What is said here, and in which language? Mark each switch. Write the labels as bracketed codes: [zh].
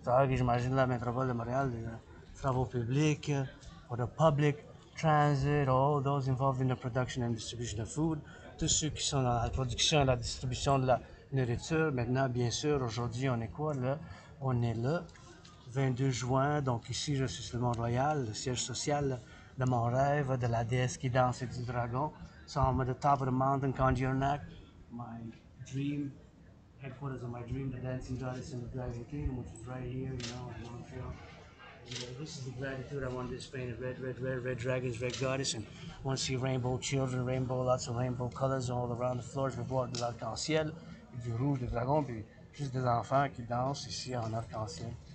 [fr] J'imagine la métropole de Montréal, les travaux publics, [en] or the public transit, all those involved in the production and distribution of food, [fr] tous ceux qui sont dans la production et la distribution de la nourriture. Maintenant, bien sûr, aujourd'hui, on est quoi là? On est là, 22 juin, donc ici, je suis sur le Mont-Royal, le siège social de mon rêve, de la déesse qui danse et du dragon. [en] So I'm at the top of the mountain, Kandjernak, my dream. Headquarters of my dream, the dancing goddess and the dragon king, which is right here, you know, in Montreal. And, this is the gratitude I want to display, red dragons, red goddess, and I want to see rainbow children, rainbow, lots of rainbow colors all around the floors. [fr] Je vois de l'arc-en-ciel, du rouge, des dragons, puis juste des enfants qui dansent ici en arc-en-ciel.